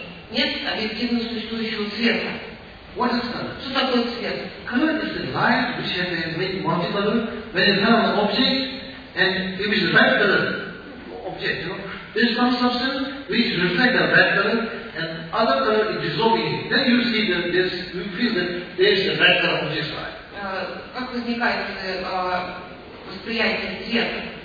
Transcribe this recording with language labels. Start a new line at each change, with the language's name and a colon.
Russian: Нет объективно существующего цвета.
English: What is color?
Russian: Что такое цвет?
English: Color is the light which has made multicolor when it has an object and if it's a red color object, you know, there is some substance which reflects a red color and other color is dissolving. Then you see that this, you feel that there is a red color object light.
Russian: Как возникает восприятие цвета?